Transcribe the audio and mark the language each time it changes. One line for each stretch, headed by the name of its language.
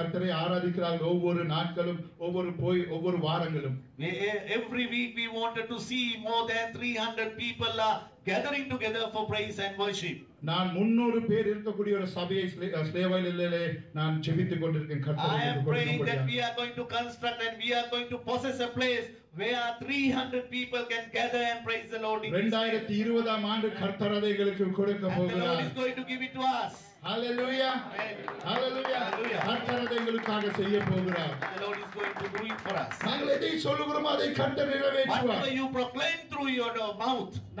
Tamil: ஒவ்வொரு நாட்களும் ஒவ்வொரு போய் ஒவ்வொரு வாரங்களும்
English: every week we wanted to see more than 300 people are gathering together for praise and worship
Tamil: நான் 300 பேர் இருக்கக்கூடிய ஒரு சபையை ஸ்லேவாயிலே நான் ஜெபித்துக் கொண்டிருக்கேன்
English: கர்த்தரே I am praying that we are going to construct and we are going to possess a place where 300 people can gather and praise the Lord
Tamil: 2020 ஆம் ஆண்டு கர்த்தரதேகளுக்கு கொடுக்க போகிறார்
English: And the Lord is going to give it to us Hallelujah Hallelujah
Tamil: கர்த்தரதேகளுக்காக செய்ய போகிறார்
English: The Lord is going to do it for us
Tamil: நாங்கள் எதை சொல்லுகிறோம் அதை கர்த்தர் நிறைவேற்றுவார்
English: What will you proclaim through your mouth